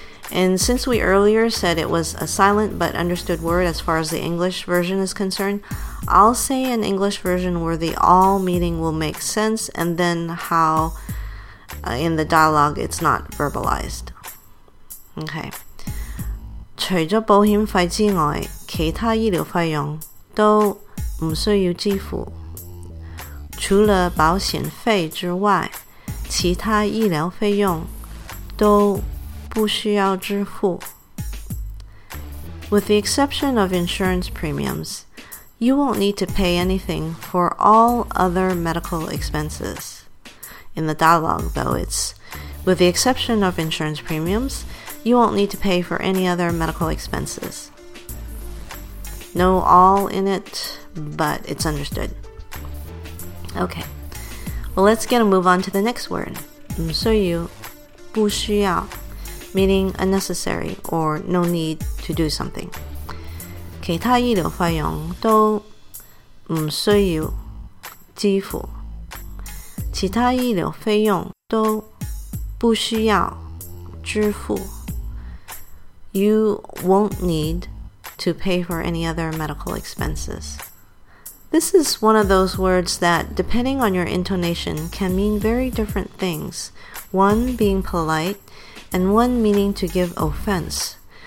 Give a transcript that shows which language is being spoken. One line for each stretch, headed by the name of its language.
English: And since we earlier said it was a silent but understood word as far as the English version is concerned, I'll say an English version where the all meaning will make sense and then how in the dialogue it's not verbalized. Okay.
Chinese: 除了保險費之外，其他醫療費用都不需要支付。除了保險費之外，其他醫療費用都不需要支付。
English: With the exception of insurance premiums, you won't need to pay anything for all other medical expenses. In the dialogue, though, it's with the exception of insurance premiums, you won't need to pay for any other medical expenses. No all in it, but it's understood. Okay, well, let's get a move on to the next word.
Chinese: 不需要，不需要。
English: Meaning unnecessary or no need to do something.
Chinese: 其他医疗费用都不需要支付。其他医疗费用都不需要支付。
English: You won't need to pay for any other medical expenses. This is one of those words that, depending on your intonation, can mean very different things. One being polite, and one meaning to give offense.